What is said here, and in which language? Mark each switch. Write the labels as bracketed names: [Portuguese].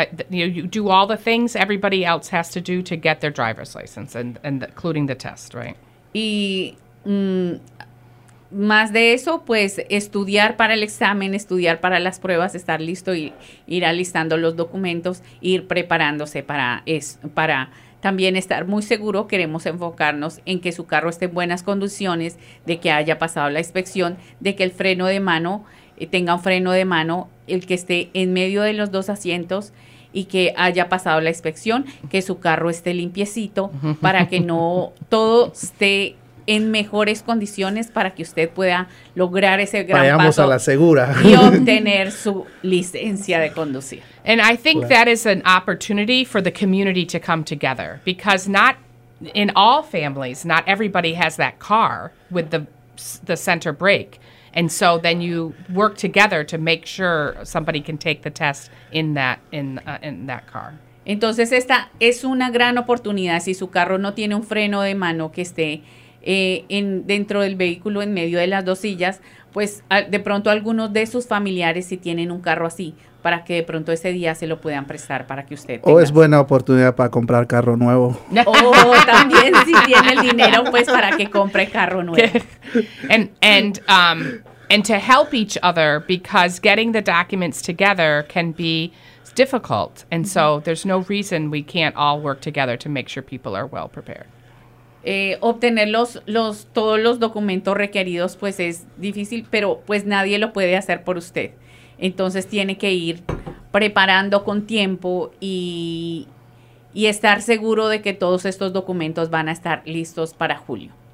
[English] You do all the things everybody else has to do to get their driver's license, and including the test, right? [Spanish] Y más de eso, pues estudiar para el examen, estudiar para las pruebas, estar listo y ir alistando los documentos, ir preparándose para también estar muy seguro, queremos enfocarnos en que su carro esté en buenas condiciones, de que haya pasado la inspección, de que el freno de mano tenga un freno de mano, el que esté en medio de los dos asientos y que haya pasado la inspección, que su carro esté limpiecito para que no todo esté en mejores condiciones para que usted pueda lograr ese gran vayamos paso a la segura y obtener su licencia de conducir. [English] And I think right. that is an opportunity for the community to come together, because not in all families, not everybody has that car with the center brake. And so then you work together to make sure somebody can take the test in that car. [Spanish] Entonces esta es una gran oportunidad si su carro no tiene un freno de mano que esté dentro del vehículo en medio de las dos sillas, pues de pronto algunos de sus familiares si tienen un carro así, para que de pronto ese día se lo puedan prestar para que usted tenga. O es buena oportunidad para comprar carro nuevo. O también si tiene el dinero pues para que compre carro nuevo. [English] And to help each other, because getting the documents together can be difficult, and so there's no reason we can't all work together to make sure people are well prepared. [Spanish] Obtener todos los documentos requeridos pues es difícil, pero pues nadie lo puede hacer por usted. Entonces tiene que ir preparando con tiempo y estar seguro de que todos estos documentos van a estar listos para julio.